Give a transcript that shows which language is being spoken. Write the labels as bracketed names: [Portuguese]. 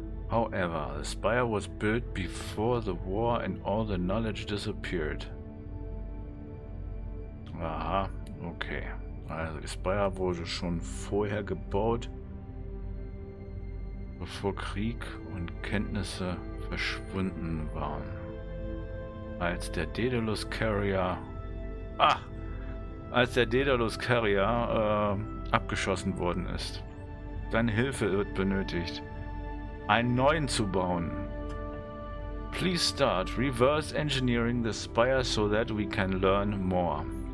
[English] However, the Spire was built before the war and all the knowledge disappeared. Aha, okay. [German] Also, die Spire wurde schon vorher gebaut, bevor Krieg und Kenntnisse verschwunden waren. Als der Daedalus Carrier. Ah! Als der Daedalus Carrier abgeschossen worden ist. Deine Hilfe wird benötigt, einen neuen zu bauen. [English] Please start reverse engineering the Spire so that we can learn more.